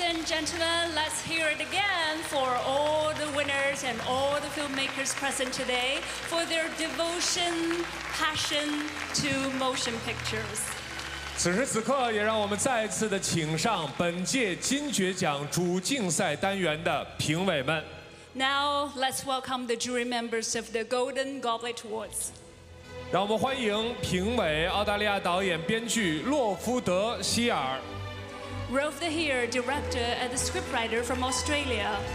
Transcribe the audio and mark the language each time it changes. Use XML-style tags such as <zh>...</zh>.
<en>and gentlemen, let's hear it again for all the winners and all the filmmakers present today for their devotion, passion to motion pictures.</en> <zh>此时此刻，也让我们再一次的请上本届金爵奖主竞赛单元的评委们。</zh> <en>Now let's welcome the jury members of the Golden Goblet Awards.</en> <zh>让我们欢迎评委澳大利亚导演编剧洛夫德希尔</zh> <en>Rolf de Heer, director and the scriptwriter from Australia.</en>